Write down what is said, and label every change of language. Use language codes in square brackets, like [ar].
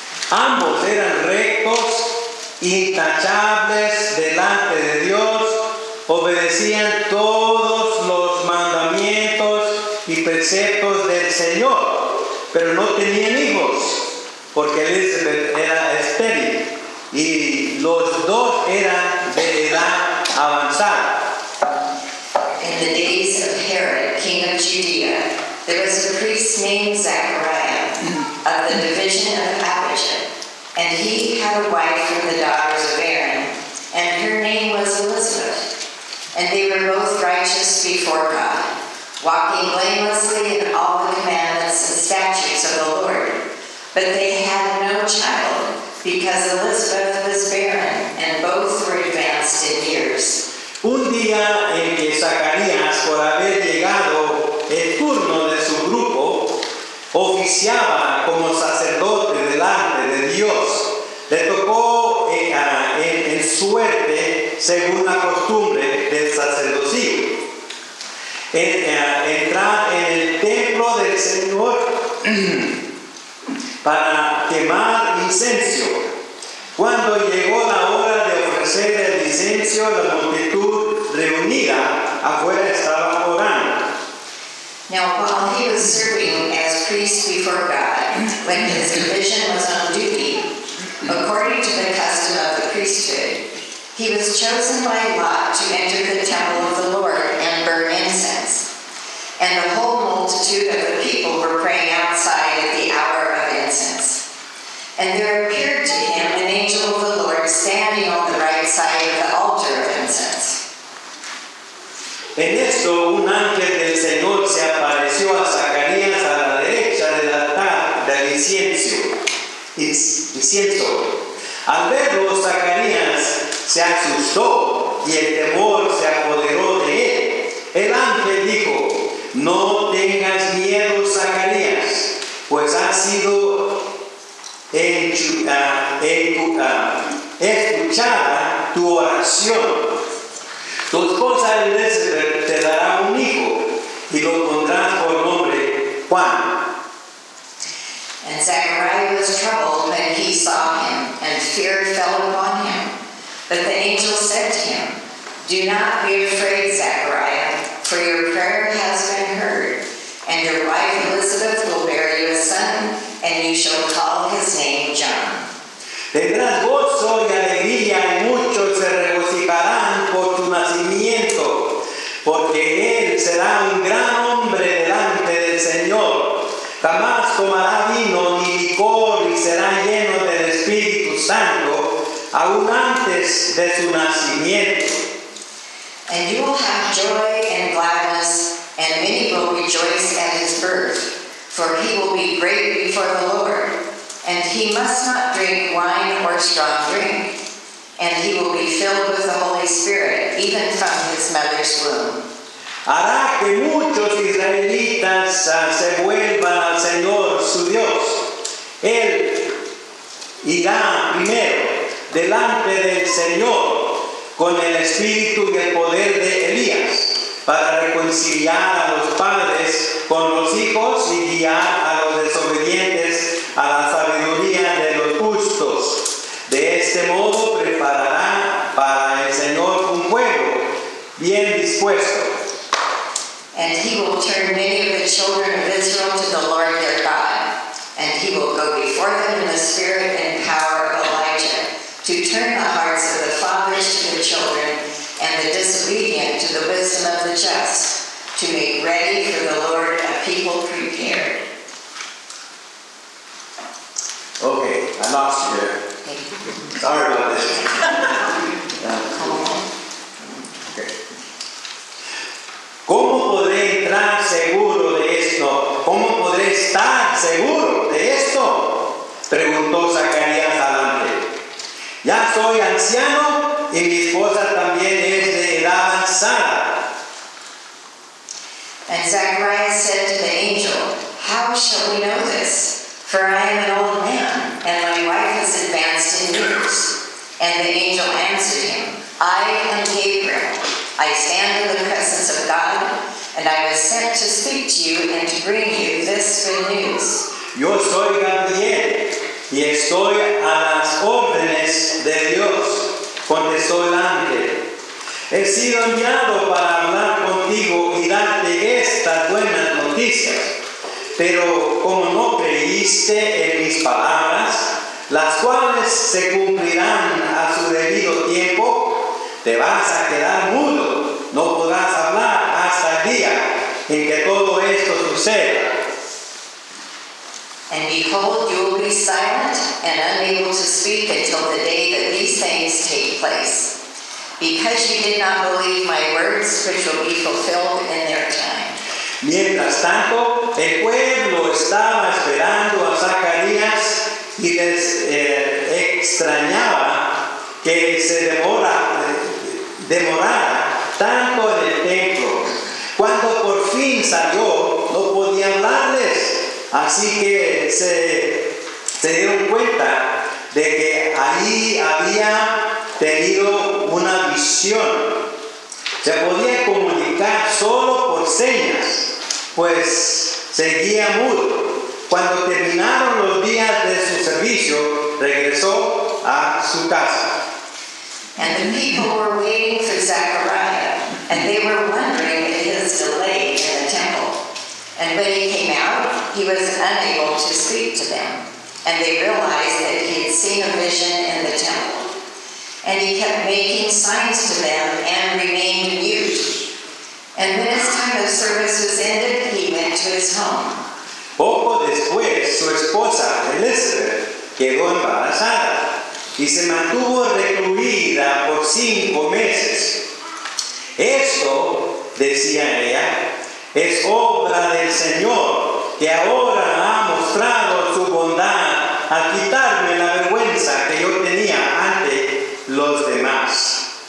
[es] Ambos eran rectos, intachables delante de Dios, obedecían todos los mandamientos y preceptos del Señor, pero no tenían hijos, porque Elizabeth era estéril y los dos eran de edad avanzada. [en] In the days of Herod, king of Judea, there was a priest named Zechariah of the division of Abijah. And he had a wife from the daughters of Aaron, and her name was Elizabeth. And they were both righteous before God, walking blamelessly in all the commandments and statutes of the Lord. But they had no child, because Elizabeth was barren, and both were advanced in years. [es] Un día en que Zacarías, por haber llegado el turno de su grupo, oficiaba como sacerdote delante de Dios. Le tocó en suerte según la costumbre del sacerdocio. Entrar en el templo del Señor para quemar incienso. Cuando llegó la hora de ofrecer el incienso, la multitud reunida afuera estaba orando. [en] Now, while he was serving as priest before God, when his division was on duty, according to the custom of the priesthood, he was chosen by lot to enter the temple of the Lord and burn incense. And the whole multitude of the people were praying outside at the hour of incense. And there appeared to him an angel of the Lord standing on the right side of the altar of incense. [es] En esto, un ángel del Señor se apareció a Zacarías a la derecha del altar del incienso. Al verlo, Zacarías se asustó y el temor se apoderó de él. El ángel dijo, no tengas miedo, Zacarías, pues ha sido escuchada tu oración. Tu esposa Elizabeth te dará un hijo y lo pondrás por nombre Juan. [en] And Zechariah was troubled when he saw him, and fear fell upon him. But the angel said to him, do not be afraid, Zechariah, for your prayer has been heard, and your wife Elizabeth will bear you a son, and you shall call his name John. [es] Tendrás gozo y alegría y muchos se regocijarán por tu nacimiento, porque él será un gran hombre delante del Señor. Jamás tomará vino ni licor y será lleno del Espíritu Santo aún antes de su nacimiento. [en] And you will have joy and gladness, and many will rejoice at his birth, for he will be great before the Lord. And he must not drink wine or strong drink, and he will be filled with the Holy Spirit, even from his mother's womb. [es] Hará que muchos israelitas se vuelvan al Señor su Dios. Él irá primero delante del Señor con el espíritu y el poder de Elías para reconciliar a los padres con los hijos y guiar a los desobedientes a la sabiduría de los justos. De este modo preparará para el Señor un pueblo bien dispuesto. [en] And he will turn many of the children of Israel to the Lord their God. And he will go before them in the spirit and power of Elijah to turn the hearts of the fathers to the children and the disobedient to the wisdom of the just, to make ready for the Lord a people prepared. Okay, I lost you there. Sorry about this. [es] ¿Cómo podré entrar seguro de esto? ¿Cómo podré estar seguro de esto? Preguntó Zacarías al ángel. Ya soy anciano y mi esposa también es de edad avanzada. [en] And Zacharias said to the angel, how shall we know this? For I am an old man, and my wife has advanced in years. And the angel answered him, I am Gabriel. I stand in the presence of God, and I was sent to speak to you and to bring you this good news. [es] Yo soy Gabriel, y estoy a las órdenes de Dios, contestó el ángel. He sido enviado para hablar contigo y darte estas buenas noticias. Pero como no creíste en mis palabras, las cuales se cumplirán a su debido tiempo, te vas a quedar mudo, no podrás hablar hasta el día en que todo esto suceda. [en] And behold, you will be silent and unable to speak until the day that these things take place, because you did not believe my words, which will be fulfilled in their time. [es] Mientras tanto, el pueblo estaba esperando a Zacarías y les extrañaba que se demorara tanto en el templo. Cuando por fin salió, no podía hablarles. Así que se dieron cuenta de que ahí había tenido una visión. Se podía comunicar solo por señas, pues seguía mudo. Cuando terminaron los días sacrificio, regresó a su casa. [en] And the people were waiting for Zechariah, and they were wondering at his delay in the temple. And when he came out, he was unable to speak to them. And they realized that he had seen a vision in the temple. And he kept making signs to them and remained mute. And when his time of service was ended, he went to his home. [es] Poco después, su esposa, Elizabeth, quedó embarazada y se mantuvo recluida por 5 meses. Esto, decía ella, es obra del Señor, que ahora ha mostrado su bondad al quitarme la vergüenza que yo tenía ante los demás.